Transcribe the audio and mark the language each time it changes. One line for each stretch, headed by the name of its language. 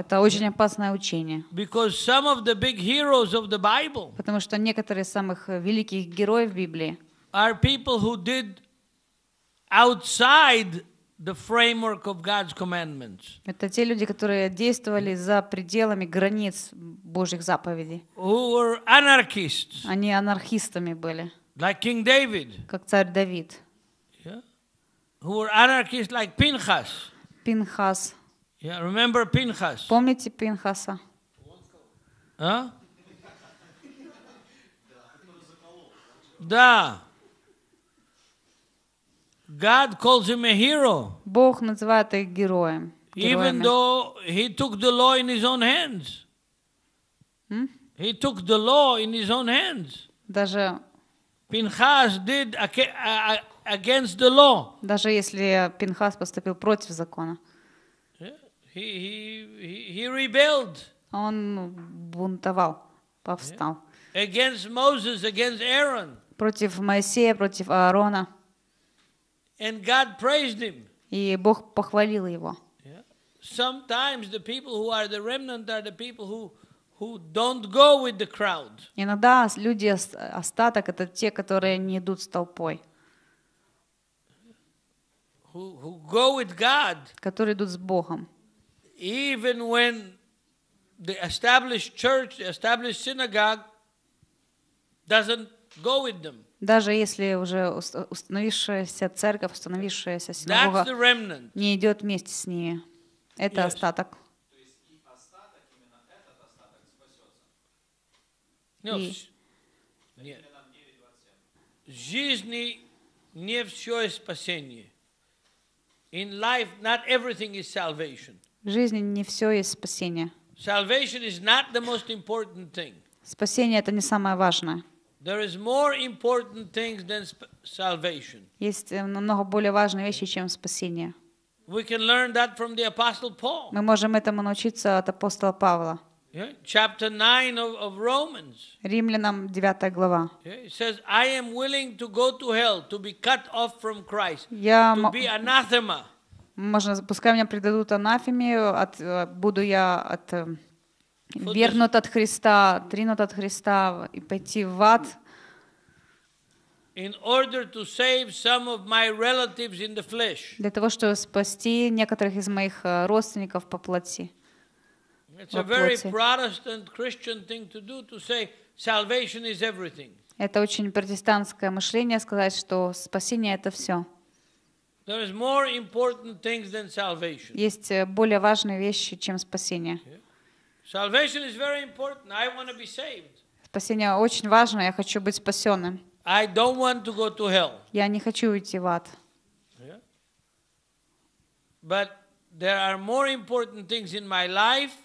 Russian: Это очень опасное учение.
English: Because some of the big heroes of the Bible.
Russian: Потому что некоторые самых великих героев Библии.
English: Are people who did outside the framework of God's commandments.
Russian: Это те люди, которые действовали за пределами границ Божьих заповедей.
English: Who were anarchists.
Russian: Они анархистами были.
English: Like King David.
Russian: Как царь Давид.
English: Yeah. Who were anarchists like Pinchas.
Russian: Пинхас.
English: Yeah, remember Pinchas.
Russian: Помните Пинхаса? А? Да.
English: God calls him a hero.
Russian: Бог называет их героем.
English: Even though he took the law in his own hands. He took the law in his own hands.
Russian: Даже
English: Пинхас did against the law.
Russian: Даже если Пинхас поступил против закона.
English: He rebelled.
Russian: Он бунтовал, повстал.
English: Against Moses, against Aaron.
Russian: Против Моисея, против Аарона.
English: And God praised him.
Russian: И Бог похвалил его.
English: Sometimes the people who are the remnant are the people who don't go with the crowd.
Russian: Иногда люди остаток — это те, которые не идут с толпой.
English: Who go with God.
Russian: Которые идут с Богом.
English: Even when the established church, the established synagogue doesn't go with them.
Russian: Даже если уже установившаяся церковь, установившаяся синагога не идет вместе с ними. Это остаток. То есть и остаток, именно этот остаток спасется? Нет. В жизни не все спасение.
English: In life not everything is salvation.
Russian: В жизни не все есть спасение.
English: Salvation is not the most important thing.
Russian: Спасение — это не самое важное.
English: There is more important things than salvation.
Russian: Есть намного более важные вещи, чем спасение.
English: We can learn that from the Apostle Paul.
Russian: Мы можем этому научиться от апостола Павла.
English: Yeah. Chapter 9 of Romans.
Russian: Римлянам 9 глава.
English: It says, I am willing to go to hell, to be cut off from Christ, to be anathema.
Russian: Можно, пускай меня предадут анафеме, буду я от вернут от Христа, отринут от Христа и пойти в ад.
English: In order to save some of my relatives in the flesh.
Russian: Для того, чтобы спасти некоторых из моих родственников по плоти.
English: It's a very Protestant Christian thing to do, to say salvation is everything.
Russian: Это очень протестантское мышление сказать, что спасение это все.
English: There is more important things than salvation.
Russian: Есть более важные вещи, чем спасение.
English: Salvation is very important. I want to be saved.
Russian: Спасение очень важно. Я хочу быть спасенным.
English: I don't want to go to hell.
Russian: Я не хочу уйти в ад.
English: But there are more important things in my life.